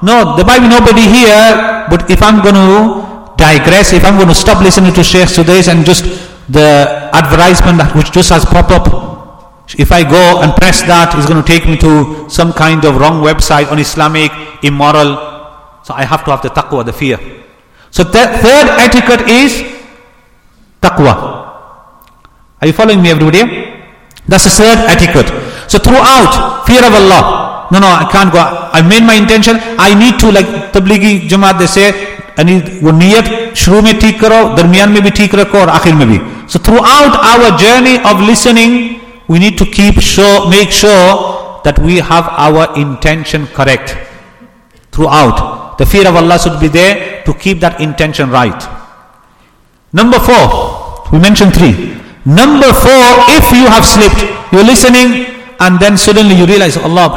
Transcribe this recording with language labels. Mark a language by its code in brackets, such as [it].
[en] No, there might be nobody here, but if I'm going to digress, if I'm going to stop listening to Sheikh Sudais and just the advertisement which just has popped up, if I go and press that, it's going to take me to some kind of wrong website, un-Islamic, immoral. So I have to have the taqwa, the fear. So the third etiquette is taqwa. Are you following me, everybody? That's the third etiquette. So throughout, fear of Allah. No, I can't go. I made my intention. I need to, like Tablighi Jamaat, they say, I need [ur] وہ نیت شروع میں ٹھیک کرو، درمیان میں بھی ٹھیک رکھو، اور آخر میں بھی۔ [en] So throughout our journey of listening, we need to make sure that we have our intention correct. Throughout, the fear of Allah should be there to keep that intention right. Number four, we mentioned three. Number four, if you have slipped, you're listening and then suddenly you realize Allah.